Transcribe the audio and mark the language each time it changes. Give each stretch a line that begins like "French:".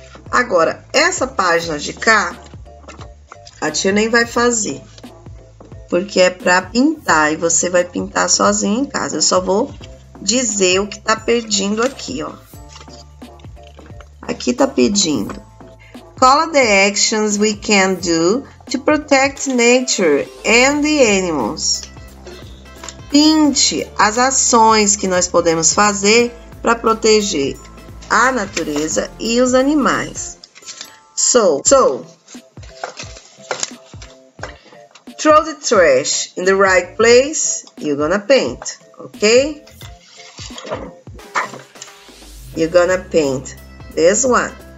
Portuguese: Agora, essa página de cá, a tia nem vai fazer. Porque é pra pintar e você vai pintar sozinho em casa. Eu só vou dizer o que tá pedindo aqui, ó. Aqui tá pedindo.
English: Follow the actions we can do to protect nature and the animals.
Portuguese: Pinte as ações que nós podemos fazer para proteger a natureza e os animais.
English: So, throw the trash in the right place, you're gonna paint, okay? You're gonna paint this one.